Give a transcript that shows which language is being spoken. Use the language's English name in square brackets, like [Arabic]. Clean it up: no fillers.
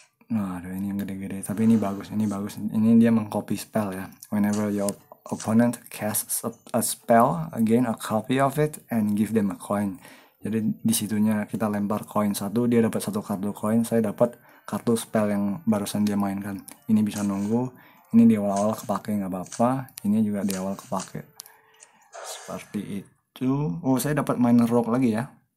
[Indonesian] Nah, aduh, ini yang gede-gede, tapi ini bagus, ini bagus. Ini dia mengcopy spell ya. [English] Whenever your opponent casts a spell, gain a copy of it and give them a coin. [Indonesian] Jadi disitunya kita lempar koin satu, dia dapat satu kartu koin, saya dapat kartu spell yang barusan dia mainkan. Ini bisa nunggu, ini di awal-awal kepake nggak apa-apa, ini juga di awal kepake. Seperti itu. Oh, saya dapat minor rogue lagi ya.